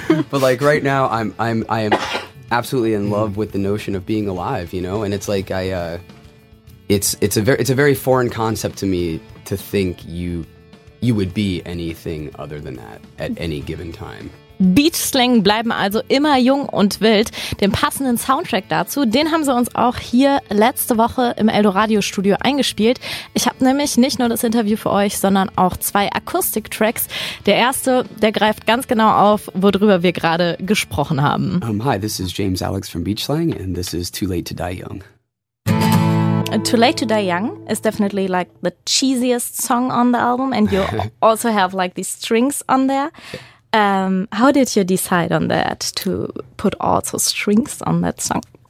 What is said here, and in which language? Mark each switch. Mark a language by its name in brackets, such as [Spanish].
[English] but right now I am absolutely in love with the notion of being alive, you know. And it's like It's a very foreign concept to me to think you would be anything other than that at any given time. [German] Beatslang bleiben also immer jung und wild. Den passenden Soundtrack dazu, den haben sie uns auch hier letzte Woche im Eldoradio Studio eingespielt. Ich habe nämlich nicht nur das Interview für euch, sondern auch zwei Akustiktracks. Der erste, der greift ganz genau auf, worüber wir gerade gesprochen haben. [English] Hi, this is James Alex from Beatslang and this is Too Late to Die Young. Too Late to Die Young is definitely like the cheesiest song on the album, and you also have like these strings on there. How did you decide on that, to put also strings on that song?